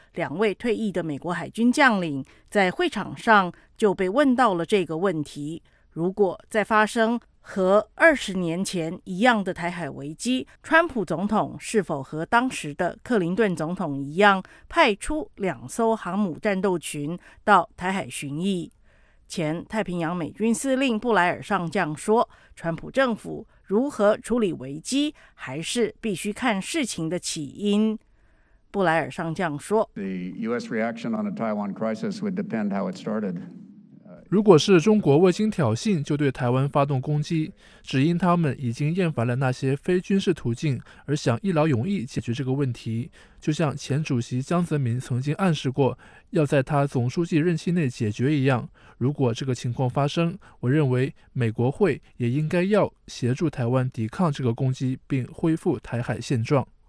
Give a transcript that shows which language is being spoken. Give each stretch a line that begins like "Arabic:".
Chinese: 两位退役的美国海军将领在会场上就被问到了这个问题：如果再发生和20年前一样的台海危机，川普总统是否和当时的克林顿总统一样派出两艘航母战斗群到台海巡弋？前太平洋美军司令布莱尔上将说，川普政府如何处理危机还是必须看事情的起因。布莱尔上将说，
English: The US reaction on a Taiwan crisis would depend how it started。
Chinese: 如果是中国未经挑衅就对台湾发动攻击，只因他们已经厌烦了那些非军事途径而想一劳永逸解决这个问题，就像前主席江泽民曾经暗示过要在他总书记任期内解决一样，如果这个情况发生，我认为美国会也应该要协助台湾抵抗这个攻击并恢复台海现状。